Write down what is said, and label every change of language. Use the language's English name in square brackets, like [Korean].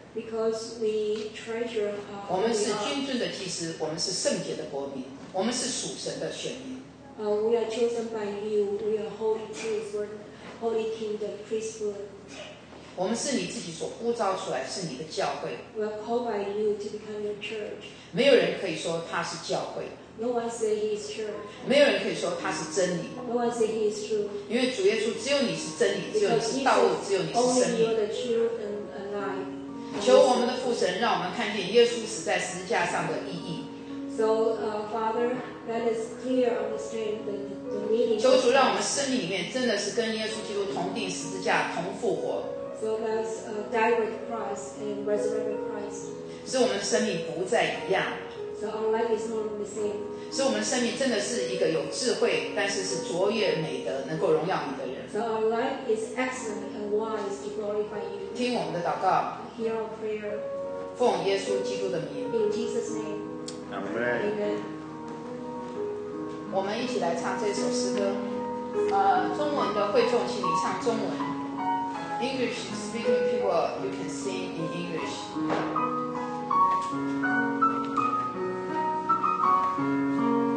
[English] Because we treasure our [Chinese] name. 我们是君尊的祭司，我们是圣洁的国民，我们是属神的选民。 [English] We are chosen by you. We are holy priesthood, holy kingdom, priesthood. [Chinese] 我们是你自己所呼召出来，是你的教会。 [English] We are called by you to become your church. [Chinese] 没有人可以说他是教会。 [English] No one say he is church. [Chinese] 没有人可以说他是真理。 [English] No one say he is true. [Chinese] 因为主耶稣只有你是真理，只有你是道路，只有你是生命。 [English] Only you are the truth and alive. [Chinese] 求我们的父神，让我们看见耶稣死在十字架上的意义。 [English] So, Father, let us clear understand the meaning. [Chinese] 求主让我们生命里面真的是跟耶稣基督同钉十字架，同复活。 [English] So let us die with Christ and resurrect with Christ. [Chinese] 使我们的生命不再一样。 [English] So our life is not the same. [Chinese] 使我们生命真的是一个有智慧，但是是卓越美德，能够荣耀你的人。 [English] So our life is excellent and wise to glorify you. [Chinese] 听我们的祷告。 [English] Hear our prayer. [Chinese] 奉耶稣基督的名。 [English] In Jesus' name. Amen. Amen. [Chinese] 我们一起来唱这首诗歌。中文的会众，请你唱中文。 [English] English speaking people, you can sing in English.